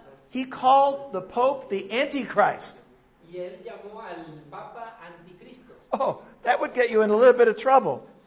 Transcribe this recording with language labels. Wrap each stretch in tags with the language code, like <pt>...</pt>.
<en>He called the Pope the Antichrist.</en> <es>Y él llamó al Papa Anticristo.</es> <en>Oh, that would get you in a little bit of trouble.</en>